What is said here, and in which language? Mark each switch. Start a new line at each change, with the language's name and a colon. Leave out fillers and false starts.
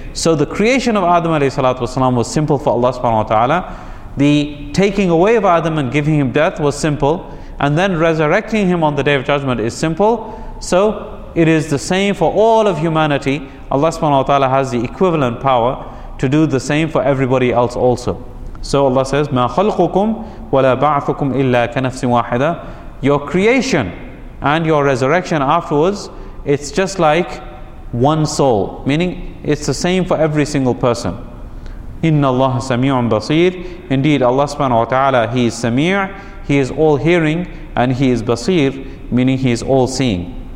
English: So the creation of Adam alayhi salatu wasalam was simple for Allah subhanahu wa ta'ala. The taking away of Adam and giving him death was simple. And then resurrecting him on the Day of Judgment is simple. So it is the same for all of humanity. Allah subhanahu wa ta'ala has the equivalent power to do the same for everybody else also.
Arabic: So Allah says, مَا خَلْقُكُمْ وَلَا بَعْثُكُمْ إِلَّا كَنَفْسٍ وَاحِدًا.
English: Your creation and your resurrection afterwards, it's just like one soul. Meaning, it's the same for every single person.
Arabic: إِنَّ اللَّهَ سَمِيعٌ بَصِيرٌ.
English: Indeed, Allah subhanahu wa ta'ala, He is Sami', He is all-hearing, and He is Basir, meaning He is all-seeing.